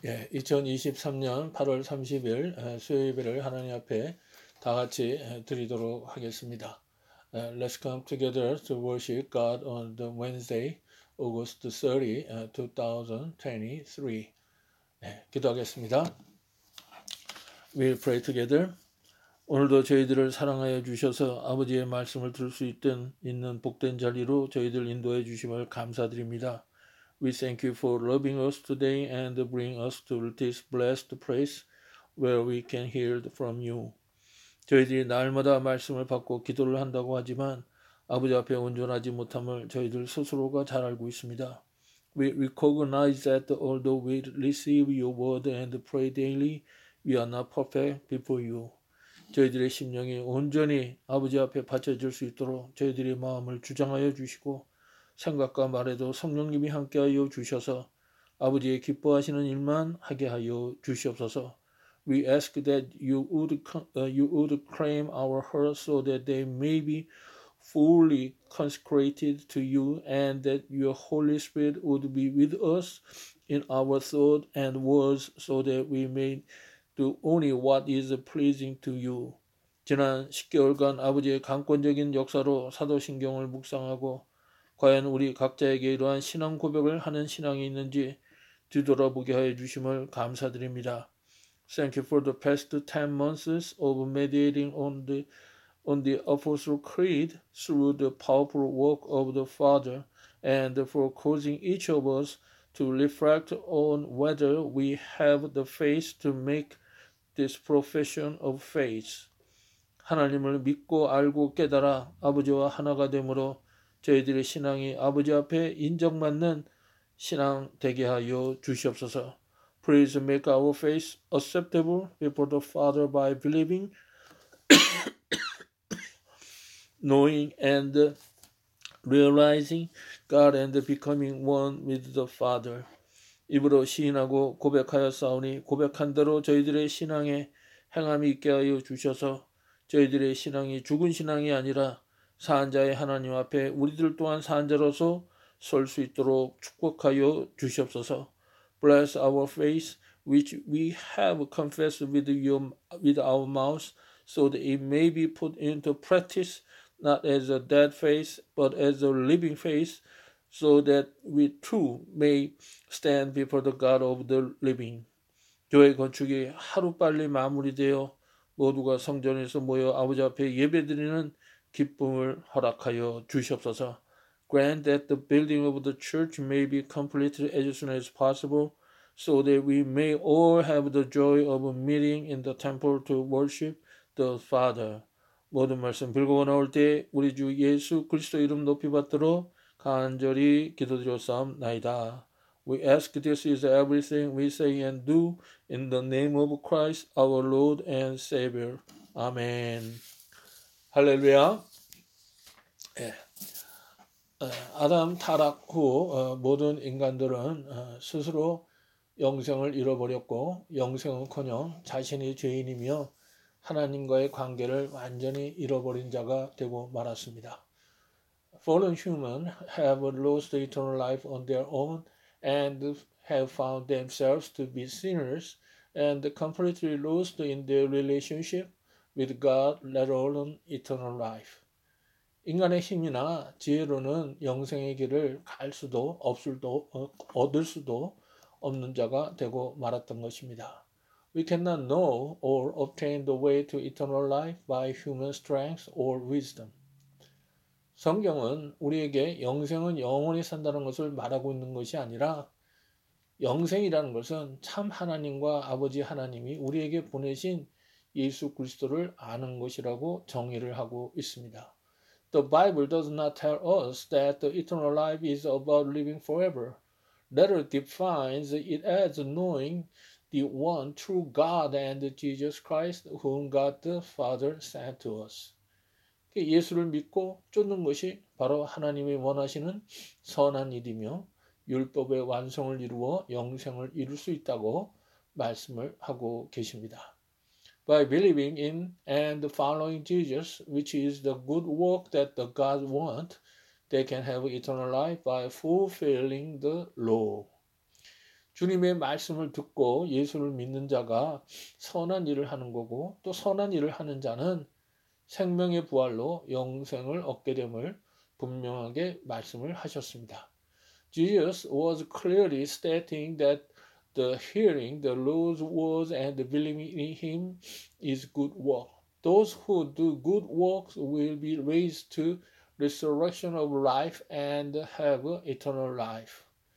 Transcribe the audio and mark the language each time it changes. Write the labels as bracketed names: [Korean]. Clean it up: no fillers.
[Korean] 예, 2023년 8월 30일 수요일을 하나님 앞에 다 같이 드리도록 하겠습니다. [English] Let's come together to worship God on the Wednesday, August 30, 2023. [Korean] 예, 기도하겠습니다. [English] We'll pray together. [Korean] 오늘도 저희들을 사랑하여 주셔서 아버지의 말씀을 들을 수 있는 복된 자리로 저희들 인도해 주심을 감사드립니다. [English] We thank you for loving us today and bring us to this blessed place where we can hear from you. [Korean] 저희들이 날마다 말씀을 받고 기도를 한다고 하지만 아버지 앞에 온전하지 못함을 저희들 스스로가 잘 알고 있습니다. [English] We recognize that although we receive your word and pray daily, we are not perfect before you. [Korean] 저희들의 심령이 온전히 아버지 앞에 바쳐질 수 있도록 저희들의 마음을 주장하여 주시고 생각과 말에도 성령님이 함께하여 주셔서 아버지의 기뻐하시는 일만 하게 하여 주시옵소서. [English] We ask that you would claim our hearts so that they may be fully consecrated to you and that your Holy Spirit would be with us in our thought and words so that we may do only what is pleasing to you. [Korean] 지난 10개월간 아버지의 강권적인 역사로 사도신경을 묵상하고 과연 우리 각자에게 이러한 신앙 고백을 하는 신앙이 있는지 뒤돌아보게 하여 주심을 감사드립니다. [English] Thank you for the past 10 months of meditating on the Apostle Creed through the powerful work of the Father and for causing each of us to reflect on whether we have the faith to make this profession of faith. [Korean] 하나님을 믿고 알고 깨달아 아버지와 하나가 되므로 저희들의 신앙이 아버지 앞에 인정받는 신앙 되게 하여 주시옵소서. [English] Please make our faith acceptable before the Father by believing, knowing and realizing God and becoming one with the Father. [Korean] 입으로 시인하고 고백하여 싸우니 고백한 대로 저희들의 신앙에 행함이 있게 하여 주셔서 저희들의 신앙이 죽은 신앙이 아니라 사한자의 하나님 앞에 우리들 또한 사한자로서 설 수 있도록 축복하여 주시옵소서. [English] Bless our faith which we have confessed with our mouths so that it may be put into practice not as a dead faith but as a living faith so that we too may stand before the God of the living. [Korean] 교회 건축이 하루빨리 마무리되어 모두가 성전에서 모여 아버지 앞에 예배드리는 기쁨을 허락하여 주시옵소서. [English] Grant that the building of the church may be completed as soon as possible so that we may all have the joy of meeting in the temple to worship the Father. [Korean] 모든 말씀 빌고 나올 때 우리 주 예수 그리스도 이름 높이 받들어 간절히 기도드렸사옵나이다. [English] We ask this is everything we say and do in the name of Christ our Lord and Savior. [Korean] Amen. 할렐루야. 예. 아담 타락 후 모든 인간들은 스스로 영생을 잃어버렸고 영생은커녕 자신이 죄인이며 하나님과의 관계를 완전히 잃어버린 자가 되고 말았습니다. [English] Fallen humans have lost eternal life on their own and have found themselves to be sinners and completely lost in their relationship with God, let alone eternal life. [Korean] 인간의 힘이나 지혜로는 영생의 길을 갈 수도 얻을 수도 없는 자가 되고 말았던 것입니다. [English] We cannot know or obtain the way to eternal life by human strength or wisdom. [Korean] 성경은 우리에게 영생은 영원히 산다는 것을 말하고 있는 것이 아니라 영생이라는 것은 참 하나님과 아버지 하나님이 우리에게 보내신 예수 그리스도를 아는 것이라고 정의를 하고 있습니다. [English] The Bible does not tell us that the eternal life is about living forever. Rather defines it as knowing the one true God and Jesus Christ whom God the Father sent to us. [Korean] 예수를 믿고 쫓는 것이 바로 하나님이 원하시는 선한 일이며 율법의 완성을 이루어 영생을 이룰 수 있다고 말씀을 하고 계십니다. [English] By believing in and following Jesus, which is the good work that the God wants, they can have eternal life by fulfilling the law. [Korean] 주님의 말씀을 듣고 예수를 믿는 자가 선한 일을 하는 거고 또 선한 일을 하는 자는 생명의 부활로 영생을 얻게 됨을 분명하게 말씀을 하셨습니다. [English] Jesus was clearly stating that the hearing the Lord's words and the believing in him is good work. Those who do good works will be raised to resurrection of life and have eternal life.